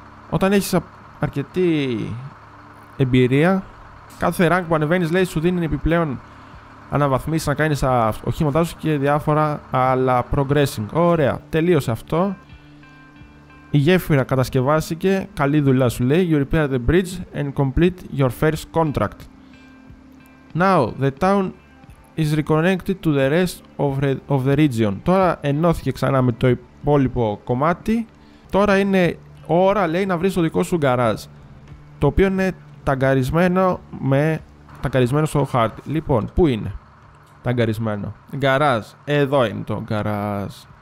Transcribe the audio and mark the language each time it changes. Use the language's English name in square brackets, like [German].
[Greek] Όταν έχεις αρκετή εμπειρία, κάθε rank που ανεβαίνεις λέει σου δίνει επιπλέον αναβαθμίσεις να κάνεις οχήματά σου και διάφορα άλλα progressing. Ωραία, τελείωσε αυτό. Η γέφυρα κατασκευάστηκε, καλή δουλειά σου λέει. [English] You repair the bridge and complete your first contract. Now the town is reconnected to the rest of the region. [Greek] Τώρα ενώθηκε ξανά με το υπόλοιπο κομμάτι. Τώρα είναι ώρα, λέει, να βρεις το δικό σου γκαράζ, το οποίο είναι ταγκαρισμένο στο χάρτη. Λοιπόν, πού είναι ταγκαρισμένο? Γκαράζ, εδώ είναι το γκαράζ.